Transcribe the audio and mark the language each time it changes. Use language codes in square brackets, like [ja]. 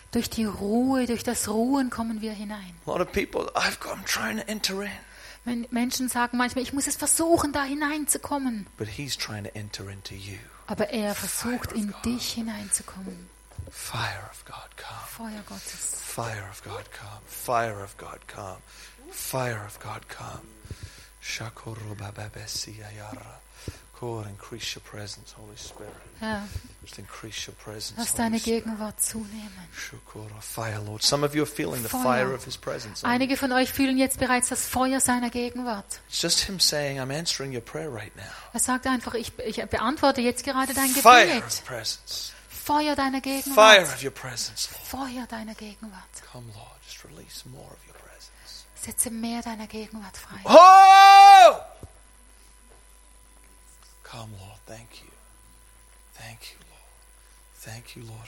[de] Durch die Ruhe, durch das Ruhen kommen wir hinein. [en] A lot of people, I'm trying to enter in. [de] Menschen sagen manchmal, ich muss es versuchen, da hineinzukommen. [en] But he's trying to enter into you. [de] Aber er versucht, in dich hineinzukommen. [en] Fire of God come. [de] Feuer Gottes. [en] Fire of God come. Fire of God come. Fire of God come. Shakuru babesia yara. Lord, increase your presence, Holy Spirit. Yeah. Just increase your presence. [de] Lass deine Gegenwart zunehmen. [en] Shukura, fire, Lord. Some of you are feeling the fire of His presence. [de] Einige von euch fühlen jetzt bereits das Feuer seiner Gegenwart. [en] It's just Him saying, "I'm answering your prayer right now." [de] Er sagt einfach, ich beantworte jetzt gerade dein Gebet. [en] Fire of presence. [de] Feuer deiner Gegenwart. [en] Fire of your presence, Lord. [de] Feuer deiner Gegenwart. [en] Come, Lord, just release more of your presence. [de] Setze mehr deiner Gegenwart frei. Oh! [en] Come, Lord, thank you. Thank you, Lord. Thank you, Lord.